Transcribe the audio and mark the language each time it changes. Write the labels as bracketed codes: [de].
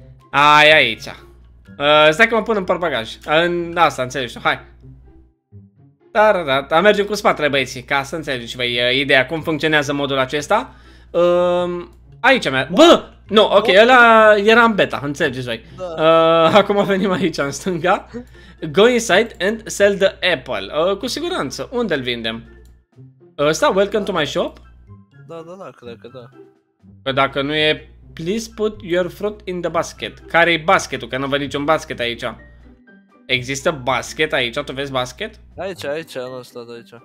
[ro] Ai, aici. Stai că mă pun în portbagaj. În asta, înțelegi. Hai. Da, mergem cu spatele, băieții, ca să înțelegi voi ideea cum funcționează modul acesta. Aici mea. Bă! Nu, ok, ăla era în beta, înțelegeți voi. Da. Acum venim aici în stânga. [en] Go inside and sell the apple. [ro] Cu siguranță, unde îl vindem? Ăsta, [en] welcome to my shop? [ro] Da, cred că da. Că dacă nu e, [en] please put your fruit in the basket. [ro] Care-i basketul? Că nu văd niciun basket aici. Există basket aici? Tu vezi basket? Aici, nu stat aici.